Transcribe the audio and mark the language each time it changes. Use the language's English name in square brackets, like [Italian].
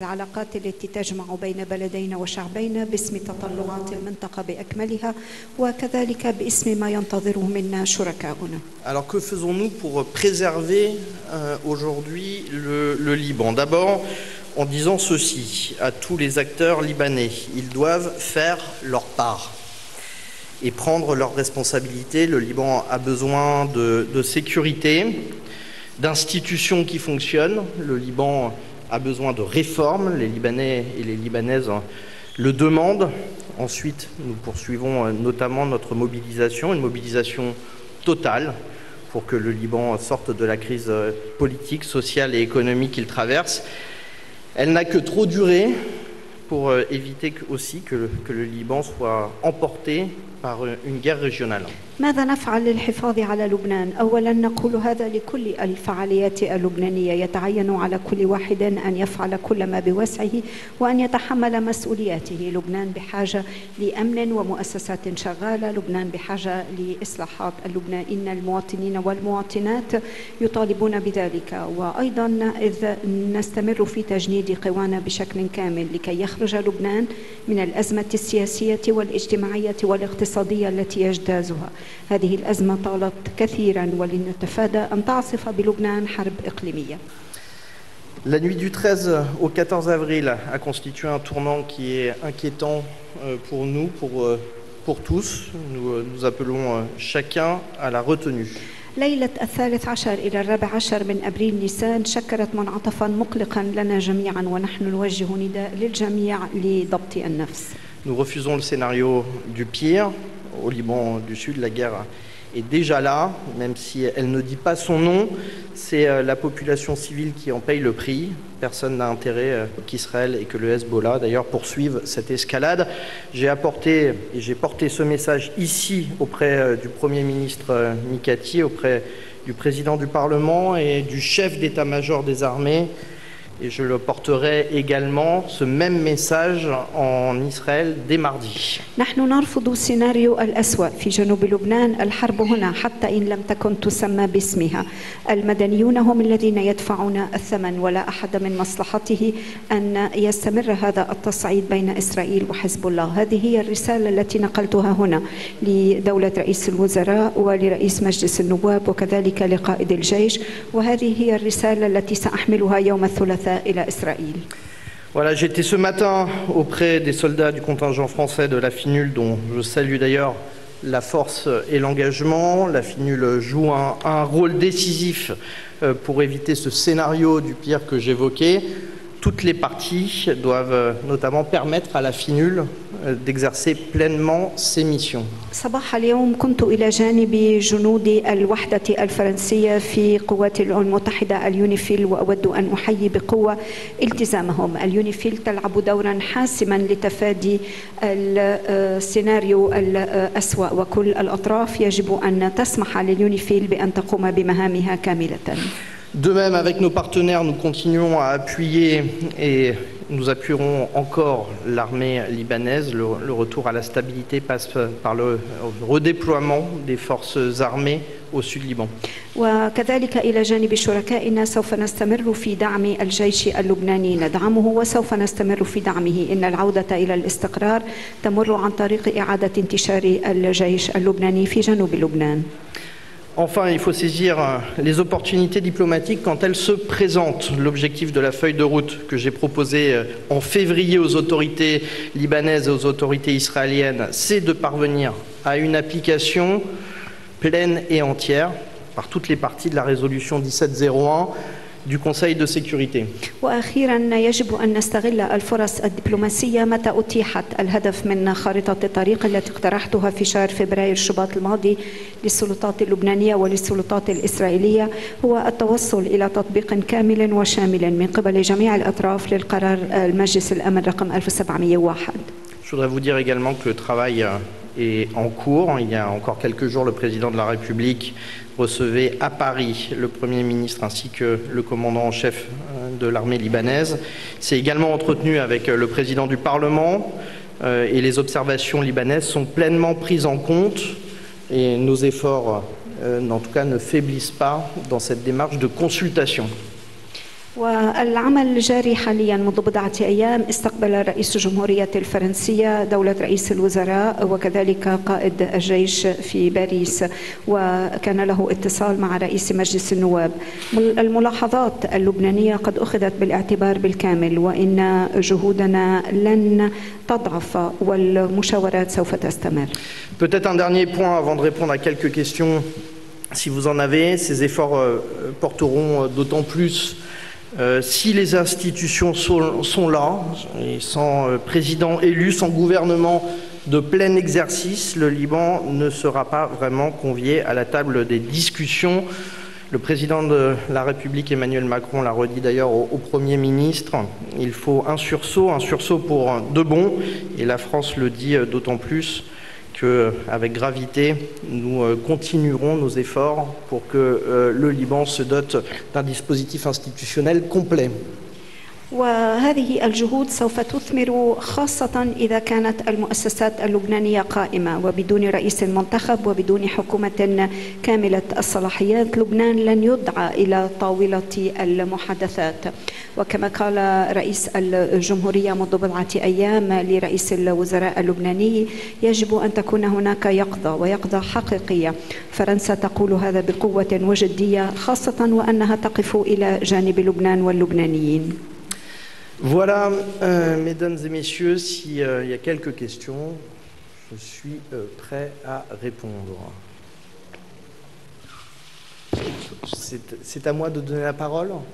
[Arabic] العلاقات التي تجمع بين بلدينا وشعبينا باسم تطلعات المنطقة بأكملها وكذلك باسم ما ينتظره منا شركاؤنا. [French] Alors que faisons-nous pour préserver aujourd'hui le Liban? D'abord en disant ceci à tous les acteurs libanais, ils doivent faire leur part et prendre leurs responsabilités. Le Liban a besoin de sécurité, d'institutions qui fonctionnent. Le Liban a besoin de réformes. Les Libanais et les Libanaises le demandent. Ensuite, nous poursuivons notamment notre mobilisation, une mobilisation totale pour que le Liban sorte de la crise politique, sociale et économique qu'il traverse. Elle n'a que trop duré pour éviter aussi que le Liban soit emporté par une guerre régionale. [Arabic] ماذا نفعل للحفاظ على لبنان؟ أولا نقول هذا لكل الفعاليات اللبنانية، يتعين على كل واحد أن يفعل كل ما بوسعه وأن يتحمل مسؤولياته. لبنان بحاجة لأمن ومؤسسات شغالة، لبنان بحاجة لإصلاحات. اللبنانيين المواطنين والمواطنات يطالبون بذلك، وأيضا إذ نستمر في تجنيد قوانا بشكل كامل لكي يخرج لبنان من الأزمة السياسية والاجتماعية والاقتصادية التي يجتازها. هذه الأزمة طالت كثيرا ولنتفادى أن تعصف بلبنان حرب إقليمية. [French] La nuit du 13 au 14 avril a constitué un tournant qui est inquiétant pour nous, pour tous. Nous appelons chacun à la retenue. [Arabic] ليلة الثالث عشر إلى الرابع عشر من أبريل نيسان شكلت منعطفا مقلقا لنا جميعا ونحن نوجه نداء للجميع لضبط النفس. [French] Nous refusons le scénario du pire. Au Liban du Sud, la guerre est déjà là, même si elle ne dit pas son nom. C'est la population civile qui en paye le prix. Personne n'a intérêt qu'Israël et que le Hezbollah, d'ailleurs, poursuivent cette escalade. J'ai apporté et j'ai porté ce message ici auprès du Premier ministre Mikati, auprès du président du Parlement et du chef d'état-major des armées. Et je le porterai également ce même message en Israël dès mardi. [Arabic] نحن نرفض السيناريو الأسوأ في جنوب لبنان. الحرب هنا حتى إن لم تكن تسمى باسمها. المدنيون هم الذين يدفعون الثمن ولا أحد من مصلحته أن يستمر هذا التصعيد بين إسرائيل وحزب الله. هذه هي الرسالة التي نقلتها هنا لدولة رئيس الوزراء ولرئيس مجلس النواب وكذلك لقائد الجيش. وهذه هي الرسالة التي سأحملها يوم الثلاثاء. [French] Voilà, j'étais ce matin auprès des soldats du contingent français de la FINUL, dont je salue d'ailleurs la force et l'engagement. La FINUL joue un rôle décisif pour éviter ce scénario du pire que j'évoquais. Toutes les parties doivent notamment permettre à la FINUL d'exercer pleinement ses missions. [Arabic] صباح اليوم كنت إلى جانب جنود الوحدة الفرنسية في قوات الأمم المتحدة اليونيفيل وأود أن أحيي بقوة التزامهم. اليونيفيل تلعب دورا حاسما لتفادي السيناريو الأسوأ وكل الأطراف يجب أن تسمح لليونيفيل بأن تقوم بمهامها كاملة. [French] De même, avec nos partenaires, nous continuons à appuyer et nous appuierons encore l'armée libanaise. Le retour à la stabilité passe par le redéploiement des forces armées au sud Liban. [Arabic] وكذلك إلى جانب شركائنا سوف نستمر في دعم الجيش اللبناني، ندعمه وسوف نستمر في دعمه. إن العودة إلى الاستقرار تمر عن طريق إعادة انتشار الجيش اللبناني في جنوب لبنان. [French] Enfin, il faut saisir les opportunités diplomatiques quand elles se présentent. L'objectif de la feuille de route que j'ai proposée en février aux autorités libanaises et aux autorités israéliennes, c'est de parvenir à une application pleine et entière par toutes les parties de la résolution 1701. Du Conseil de sécurité. [Arabic] وأخيرا يجب أن نستغل الفرص الدبلوماسية متى أتيحت. الهدف من خارطة الطريق التي اقترحتها في شهر فبراير شباط الماضي للسلطات اللبنانية وللسلطات الإسرائيلية هو التوصل إلى تطبيق كامل وشامل من قبل جميع الأطراف للقرار المجلس الأمن رقم 1701. [French] Je voudrais vous dire également que le travail est en cours. Il y a encore quelques jours, le président de la République recevait à Paris le Premier ministre ainsi que le commandant en chef de l'armée libanaise. C'est également entretenu avec le président du Parlement et les observations libanaises sont pleinement prises en compte et nos efforts, en tout cas, ne faiblissent pas dans cette démarche de consultation. [Arabic] والعمل جاري حاليا منذ بضعة أيام استقبل رئيس الجمهورية الفرنسية دولة رئيس الوزراء وكذلك قائد الجيش في باريس وكان له اتصال مع رئيس مجلس النواب. الملاحظات اللبنانية قد أخذت بالاعتبار بالكامل وإن جهودنا لن تضعف والمشاورات سوف تستمر. [French] Peut-être un dernier point avant de répondre à quelques questions. Si vous en avez, ces efforts porteront d'autant plus si les institutions sont là, et sans président élu, sans gouvernement de plein exercice, le Liban ne sera pas vraiment convié à la table des discussions. Le président de la République, Emmanuel Macron, l'a redit d'ailleurs au Premier ministre, il faut un sursaut pour de bon, et la France le dit d'autant plus. Qu'avec gravité, nous continuerons nos efforts pour que le Liban se dote d'un dispositif institutionnel complet. [Arabic] وهذه الجهود سوف تثمر خاصة إذا كانت المؤسسات اللبنانية قائمة وبدون رئيس منتخب وبدون حكومة كاملة الصلاحيات لبنان لن يدعى إلى طاولة المحادثات وكما قال رئيس الجمهورية منذ بضعة أيام لرئيس الوزراء اللبناني يجب أن تكون هناك يقظة ويقظة حقيقية فرنسا تقول هذا بقوة وجدية خاصة وأنها تقف إلى جانب لبنان واللبنانيين. [French] Voilà, mesdames et messieurs, s'il y a quelques questions, je suis prêt à répondre. C'est à moi de donner la parole.